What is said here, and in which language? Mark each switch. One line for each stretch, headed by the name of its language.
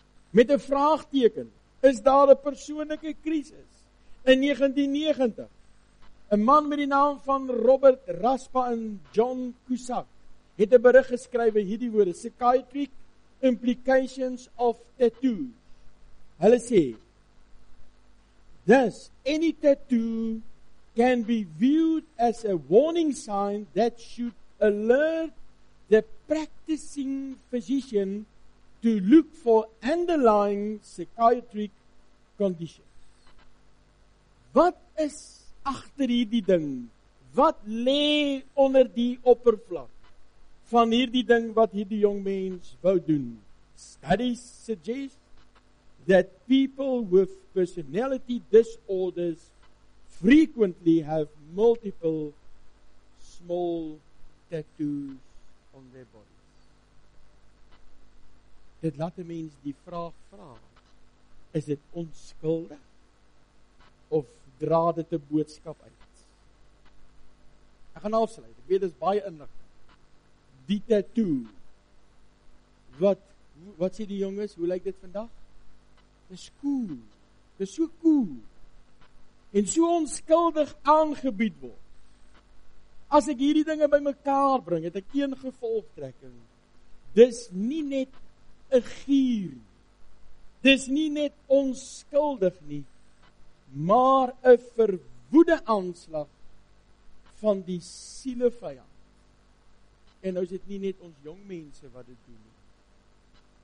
Afrikaans: Met 'n vraagteken, is daar 'n persoonlike krisis? In 1990, 'n man met die naam van Robert Raspa en John Cusack het 'n berig geskrywe hierdie woorde, Psychiatric Implications of Tattoos. Hulle sê,
English: thus, any tattoo can be viewed as a warning sign that should alert the practicing physician to look for underlying psychiatric conditions.
Afrikaans: Wat is agter hierdie ding? Wat lê onder die oppervlak van hierdie ding wat hierdie jong mens wou doen?
English: Studies suggest that people with personality disorders frequently have multiple small tattoos on their bodies.
Afrikaans: Dit laat die mens die vraag vra, is dit onskuldig of dra dit 'n boodskap uit? Ek gaan afsluit, ek weet dit is baie inligting. Die tattoo, wat sê die jonges, hoe lyk dit vandag? Dis cool, dis so cool. En so onskuldig aangebied word. As ek hierdie dinge by mekaar bring, het ek een gevolgtrekking. Dis nie net 'n gier. Dis nie net onskuldig nie, maar 'n verwoede aanslag van die sielevyand. En nou is dit nie net ons jong mense wat dit doen.